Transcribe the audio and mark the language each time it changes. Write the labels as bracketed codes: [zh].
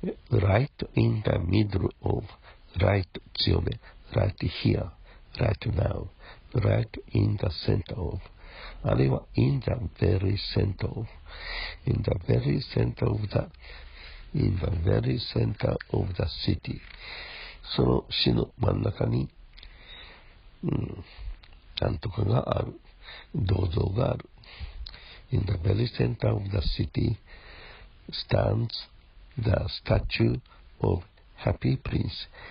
[en] right in the middle of, right [ja] 強め、 [en] right here, right now, right in the center of, [ja] あるいは [en] in the very center of, in the very center of the, in the very center of the city. [ja] その市の真ん中に、なんとかがある、銅像がある。 [en] In the very center of the city stands the statue of Happy Prince.